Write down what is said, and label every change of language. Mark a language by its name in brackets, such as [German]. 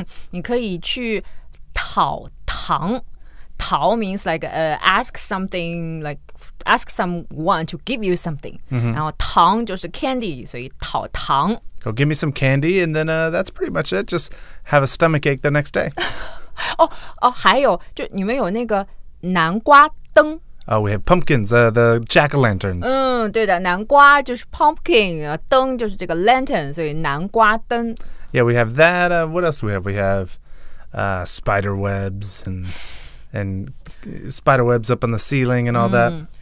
[Chinese] 你可以去讨糖。 [English] 讨 means ask something, ask someone to give you something. Mm-hmm. [Chinese] 然后糖就是 candy, 所以讨糖。 [English] Go give me some candy, and then that's pretty much it. Just have a stomachache the next day. [Chinese] 还有就你们有那个南瓜灯。 [English] Oh, we have pumpkins, the jack-o'-lanterns. [Chinese] 对的，南瓜就是 pumpkin, 灯就是这个 lantern, 所以南瓜灯。 [English] Yeah, we have that. What else do we have? We have spider webs and spider webs up on the ceiling and all that.